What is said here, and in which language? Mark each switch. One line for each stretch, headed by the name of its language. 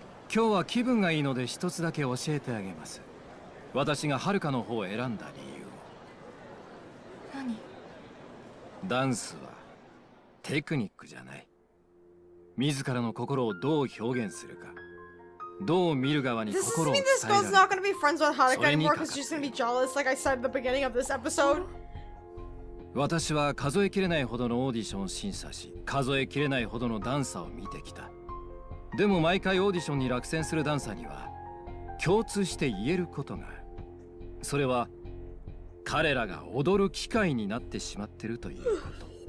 Japanese: 今日は気分がいいので一つだけ教えてあげます。私が遥の方を選んだ理由を。何？ダンスはテクニックじゃない。自らの心をどう表現するか、どう見る側に心を伝える。
English: This girl's not gonna be friends with Haruka anymore because she's gonna be jealous like I said at the beginning of this episode.
Japanese: 私は数えきれないほどのオーディションを審査し、数えきれないほどのダンサーを見てきた。でも毎回オーディションに落選するダンサーには共通して言えることが、それは彼らが踊る機会になってしまってるということ。